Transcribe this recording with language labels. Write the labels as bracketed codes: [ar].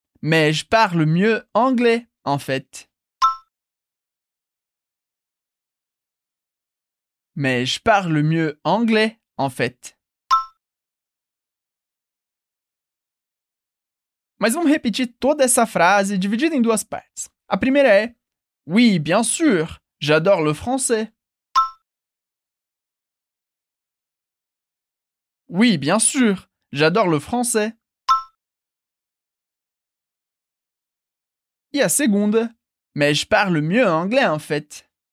[fr] Mais je parle mieux anglais, en fait. Mais je parle mieux anglais, en fait. [pt] Mas vamos repetir toda essa frase dividida em duas partes. A primeira é: [fr] Oui, bien sûr, j'adore le français. Oui, bien sûr, j'adore le français. [pt] E a segunda: [fr] Mais je parle mieux anglais, en fait.